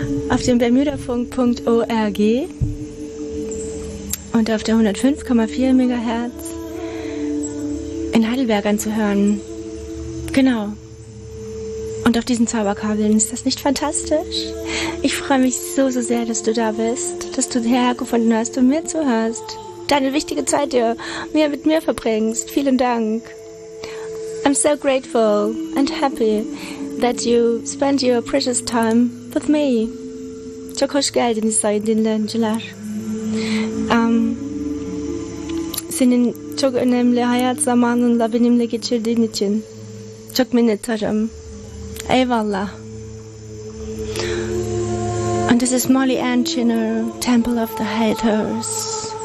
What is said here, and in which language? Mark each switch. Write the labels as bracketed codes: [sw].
[de] Auf dem bermudafunk.org und auf der 105,4 MHz in Heidelberg anzuhören. Genau. Und auf diesen Zauberkabeln, ist das nicht fantastisch? Ich freue mich so, so sehr, dass du da bist, dass du hergefunden hast und mir zuhörst. Deine wichtige Zeit dir mit mir verbringst. Vielen Dank. [en] I'm so grateful and happy that you spend your precious time with me. [tr] Çokoş geldiniz sayın dinleyiciler. Senin çok önemli hayat zamanında benimle geçirdiğin için çok minnettarım. Eyvallah. [en] And this is Molly Ann Chinner, Temple of the Haters.